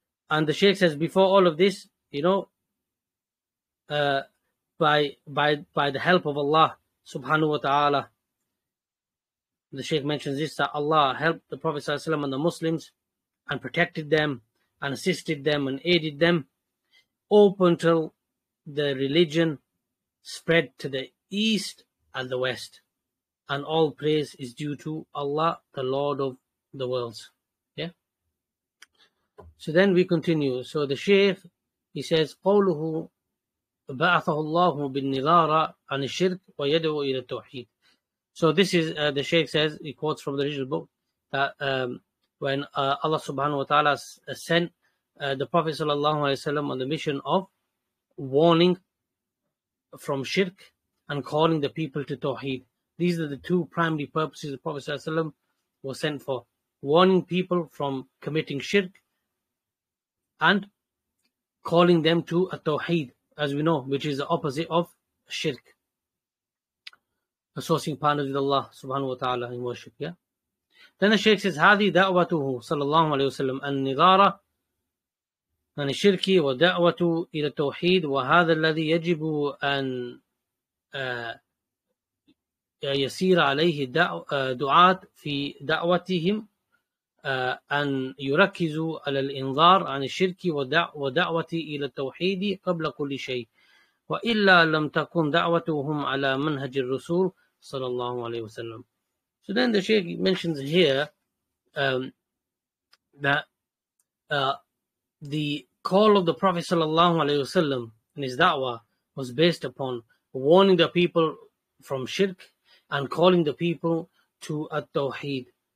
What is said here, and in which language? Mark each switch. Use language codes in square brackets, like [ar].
[en] And the Shaykh says, before all of this, you know, By the help of Allah subhanahu wa ta'ala, the Shaykh mentions this, that Allah helped the Prophet sallallahu alaihi wasallam and the Muslims and protected them and assisted them and aided them up until the religion spread to the East and the West. And all praise is due to Allah, the Lord of the worlds. Yeah. So then we continue. So the Shaykh, he says, [ar] قوله بعثه الله بالنظارة عن الشرك ويدعو إلى التوحيد. [en] So this is the Shaykh says, he quotes from the original book, that when Allah subhanahu wa ta'ala sent the Prophet sallallahu alayhi wa sallam on the mission of warning from shirk and calling the people to tawheed. These are the two primary purposes the Prophet sallallahu alayhi wa sallam was sent for: warning people from committing shirk and calling them to a tawheed, as we know, which is the opposite of shirk, associating partners with Allah subhanahu wa ta'ala in worship. Yeah. Then the Shaykh says, [ar] هذه دعوته صلى الله عليه وسلم النظارة عن الشرك ودعوة إلى التوحيد وهذا الذي يجب أن يسير عليه دعاة في دعوتهم أن يركزوا على الإنذار عن الشرك ودعوتي إلى التوحيد قبل كل شيء وإلا لم تكن دعوتهم على منهج الرسول صلى الله عليه وسلم. [en] So then the Shaykh mentions here that the call of the Prophet [ar] صلى الله عليه وسلم [en] and his da'wah was based upon warning the people from shirk and calling the people to التوحيد.